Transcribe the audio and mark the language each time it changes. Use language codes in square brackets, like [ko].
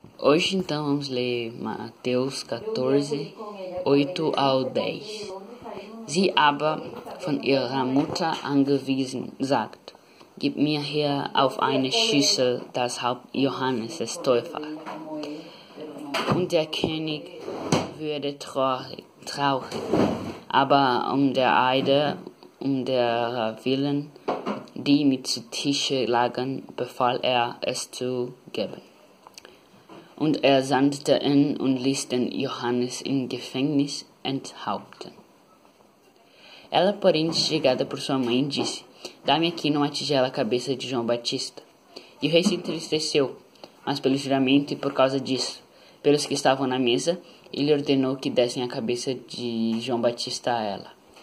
[pt] Hoje, então, vamos ler Mateus 14, 8 ao 10. [de] Sie aber von ihrer Mutter angewiesen, sagt, gib mir hier auf eine Schüssel das Haupt Johannes des Täufers. Und der König würde traurig, aber um der Eide, um der Willen, die mit zu Tische lagen, befahl er es zu geben. Und er sandte ihn und ließ den Johannes im Gefängnis enthaupten. [pt] Ela, porém, instigada por sua mãe, disse, dá-me aqui numa tigela a cabeça de João Batista. E o rei se entristeceu, mas pelo juramento e por causa disso, pelos que estavam na mesa, ele ordenou que dessem a cabeça de João Batista a ela.